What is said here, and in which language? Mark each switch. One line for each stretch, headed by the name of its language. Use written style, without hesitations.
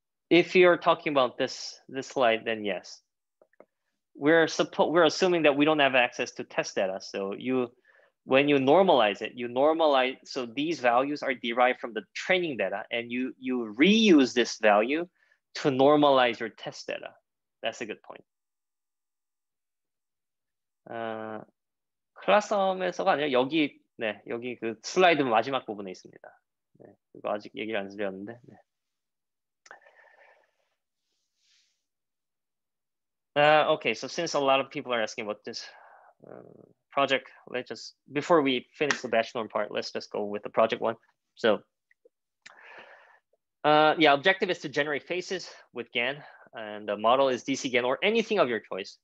English: If you're talking about this slide, then yes. We're assuming that we don't have access to test data. So when you normalize it, you normalize, so these values are derived from the training data, and you reuse this value to normalize your test data. That's a good point.
Korean: 클라썸에서가 아니라 여기, 네, 여기 그 슬라이드 마지막 부분에 있습니다. 네, 이거 아직 얘기를 안 드렸는데. 네.
English: 아, okay, so since a lot of people are asking about this project, let's just, before we finish the BatchNorm part, let's just go with the project one. So, yeah, objective is to generate faces with GAN, and the model is DCGAN or anything of your choice.